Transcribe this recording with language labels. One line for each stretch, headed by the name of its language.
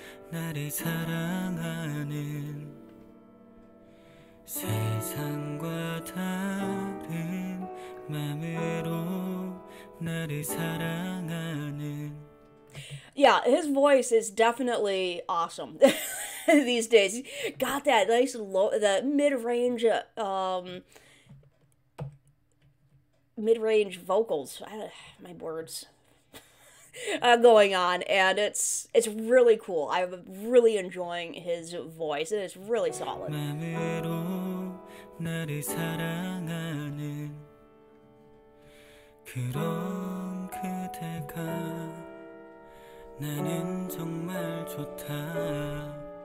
Korean: 세상과 다른 마음으로 나를 사랑하는.
English: Yeah, his voice is definitely awesome these days. Got that nice low, the mid-range, mid-range vocals. My words going on, and it's really cool. I'm really enjoying his voice, and it's really solid.
Korean: 마음으로 나를 사랑하는 그런 그대가 나는 정말 좋다.